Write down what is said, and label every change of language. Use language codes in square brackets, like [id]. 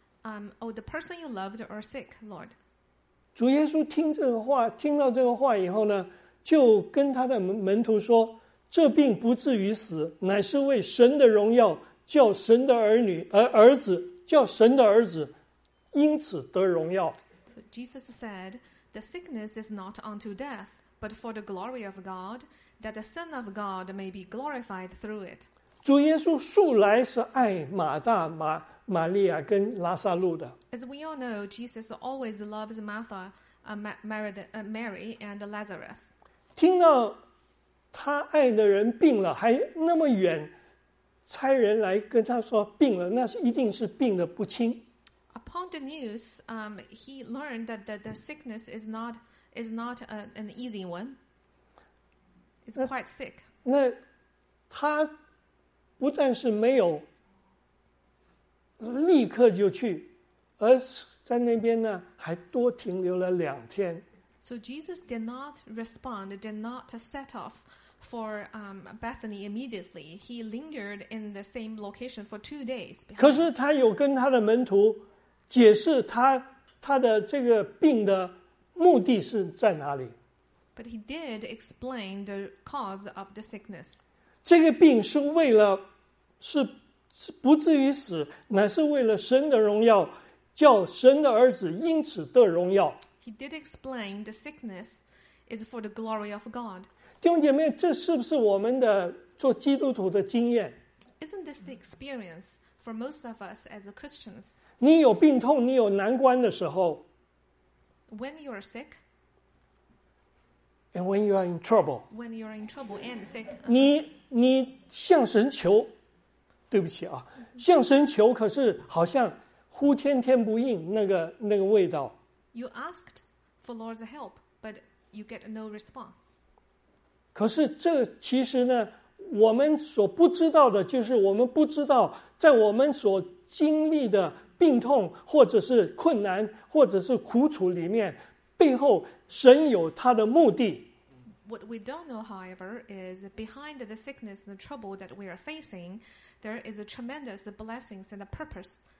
[en] The person you loved are sick, Lord. [zh] 主耶稣听这个话，听到这个话以后呢，就跟他的门徒说。这病不至于死，乃是为神的荣耀，叫神的儿女儿子，叫神的儿子因此得荣耀。 [en] So、Jesus said, "The sickness is not unto death, but for the glory of God, that the Son of God may be glorified through it." [zh] 主耶稣素来是爱马大、玛利亚跟拉撒路的。 [en] As we all know, Jesus always loves Martha, Mary, and Lazarus. [zh] 听到。他爱的人病了，还那么远，差人来跟他说病了，那是一定是病得不轻。 [en] Upon the news, he learned that the sickness is not an easy one. It's quite sick. [zh] 那他不但是没有立刻就去，而在那边呢，还多停留了两天。 [en] So Jesus did not respond, did not set off. For Bethany immediately, he lingered in the same location for 2 days. [zh] 可是他有跟他的门徒解释他的这个病的目的是在哪里。 [en] But he did explain the cause of the sickness. [zh] 这个病是为了是不至于死，乃是为了神的荣耀，叫神的儿子因此得荣耀。 [en] He did explain the sickness is for the glory of God. [zh] 弟兄姐妹，这是不是我们的做基督徒的经验 [en] ？Isn't this the experience for most of us as Christians？ [zh] 你有病痛，你有难关的时候 [en] ，When you are sick， and when you are in trouble， when you are in trouble and sick， [zh] 你向神求，对不起啊，向神求，可是好像呼天天不应，那个味道。 [en] You asked for Lord's help， but you get no response。 [zh] 可是这其实呢，我们所不知道的就是我们不知道在我们所经历的病痛或者是困难或者是苦楚里面背后神有他的目的。 [en] What we don't know, however, is behind the sickness and the trouble that we are facing, there is a tremendous blessings and a purpose.